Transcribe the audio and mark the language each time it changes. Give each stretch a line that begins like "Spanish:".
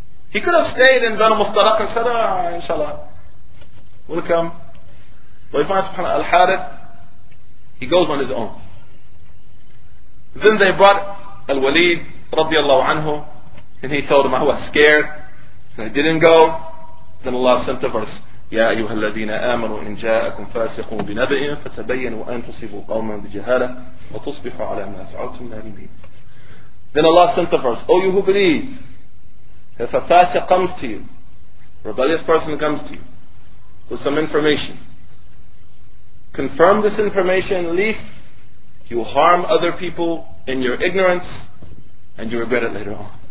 English: He could have stayed in Banu Mustalik and said, inshallah, we'll come. But we find subhanAllah Al-Harith, he goes on his own. Then they brought Al-Walid radiallahu anhu, and he told him, I was scared and I didn't go. Then Allah sent the verse,
Arabic: يا أيها الذين آمنوا إن جاءكم فاسق بنبأ فتبينوا أن تصيبوا قوما بجهالة وتصبحوا على ما فعلتم نادمين.
English: Then Allah sent the verse, O you who believe, if a fasiq comes to you, rebellious person comes to you with some information, confirm this information lest you harm other people in your ignorance and you regret it later on.